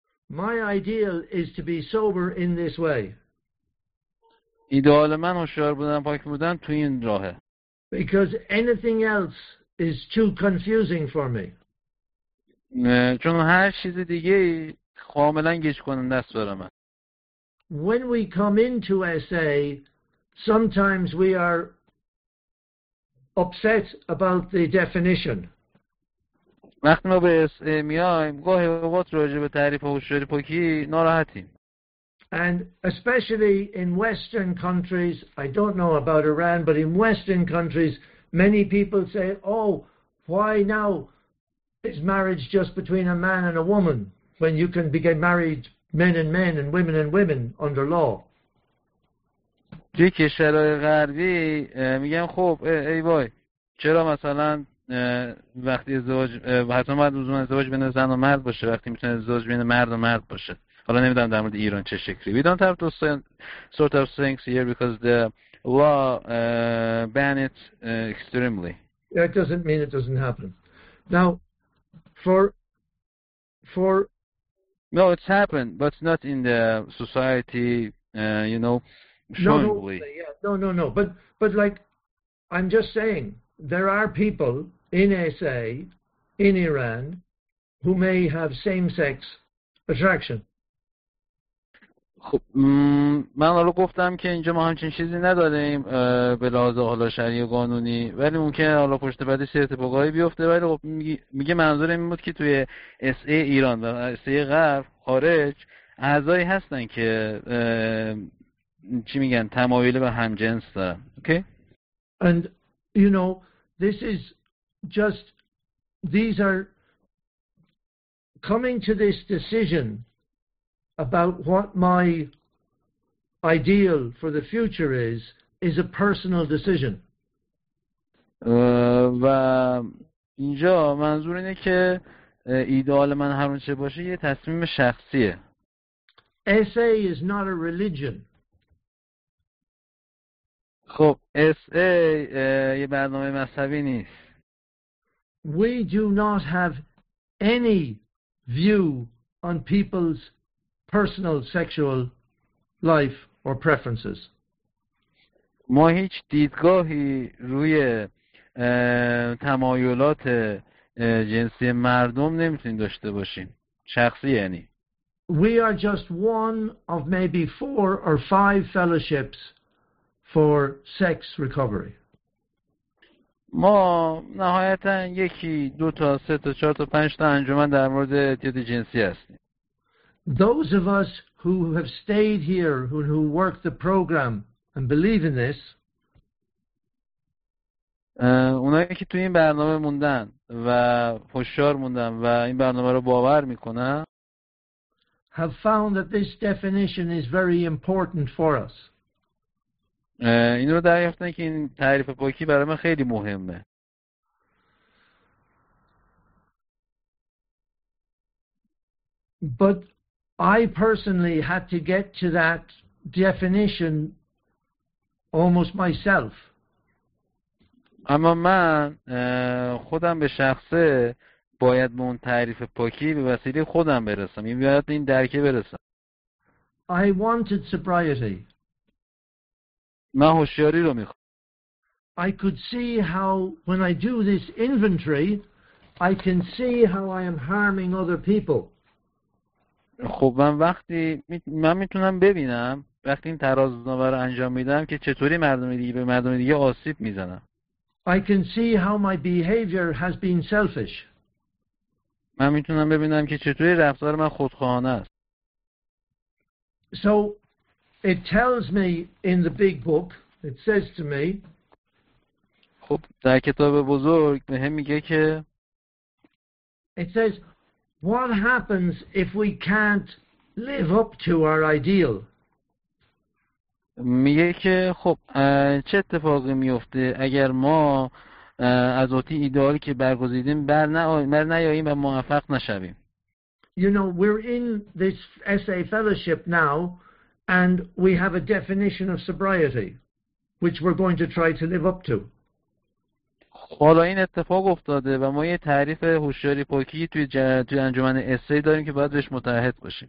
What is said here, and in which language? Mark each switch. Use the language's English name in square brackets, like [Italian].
[English] My ideal is to be sober in this way. [Persian] ایدال من هوشیار بودن پاک بودن تو این راهه. [English] Because anything else is too confusing for me. [Persian] چون هر چیز دیگه کاملا گیج کننده است برای من. [English] When we come into SA, sometimes we are upset about the definition. [Persian] وقتی ما به SA میایم، گاهی وقت راجع به تعریف هوشیاری پاکی ناراحتیم. [English] And especially in Western countries, I don't know about Iran, but in Western countries, many people say, oh, why now is marriage just between a man and a woman when you can be married men and men and women and women under law? [Persian] توی کشورهای غربی میگن خب ای وای چرا مثلا وقتی ازدواج حتی باید لزوما ازدواج بین زن و مرد باشه وقتی میتونه ازدواج بین مرد و مرد باشه. حالا نمیدونم در مورد ایران چه شکلی. [English] We don't have those sort of things here because the law ban it extremely. That doesn't mean it doesn't happen. Now, No, it's happened, but not in the society, you know, strongly. No. But like, I'm just saying, there are people in SA, in Iran, who may have same-sex attraction. [Persian] خب من حالا گفتم که اینجا ما همچین چیزی نداریم به لحاظ حالا شرعی و قانونی، ولی ممکنه حالا پشت بعدی سر اتفاقایی بیفته. ولی خب میگه منظور این بود که توی اس ای ایران و اس ای غرب خارج اعضایی هستن که چی میگن تمایل به همجنس دارن. اوکی [English] and you know this is just these are coming to this decision about what my ideal for the future is a personal decision. [Persian] و اینجا منظور اینه که ایدئال من هر چه باشه یه تصمیم شخصیه. [English] SA is not a religion. [Persian] خب SA یه برنامه مذهبی نیست. [English] We do not have any view on people's personal sexual life or preferences. [Persian] ما هیچ دیدگاهی روی تمایلات جنسی مردم نمیتونیم داشته باشیم. شخصی یعنی. [English] We are just one of maybe four or five fellowships for sex recovery. [Persian] ما نهایتا یکی دو تا سه تا چهار تا پنج تا انجمن در مورد اعتیاد جنسی هستیم. [English] Those of us who have stayed here, who work the program and believe in this, [Persian] اونایی که تو این برنامه موندن و هوشیار موندن و این برنامه رو باور میکنن, [English] have found that this definition is very important for us. [Persian] این رو دریافتن که این تعریف پاکی برای ما خیلی مهمه. [English] But I personally had to get to that definition almost myself. [Persian] اما من خودم به شخصه باید به اون تعریف پاکی به وسیله خودم برسم. این باید این درکه برسم. [English] I wanted sobriety. [Persian] من هوشیاری رو میخوام. [English] I could see how when I do this inventory, I can see how I am harming other people. [Persian] خب من وقتی من میتونم ببینم وقتی این ترازنامه رو انجام میدم که چطوری مردم دیگه به مردم دیگه آسیب میزنم. [English] I can see how my behavior has been selfish. [Persian] من میتونم ببینم که چطوری رفتار من خودخواهانه است. [English] So it tells me in the big book, it says to me, [Persian] خب در کتاب بزرگ به هم میگه که [English] it says what happens if we can't live up to our ideal. [Persian] میگه که خب چه اتفاقی میفته اگر ما از اوتی ایدئالی که برگزیدیم بر نیاییم و موفق نشویم. [English] You know, we're in this SA fellowship now and we have a definition of sobriety which we're going to try to live up to. [Persian] حالا این اتفاق افتاده و ما یه تعریف هوشیاری پاکی توی انجمن اس ای داریم که باید بهش متعهد باشیم.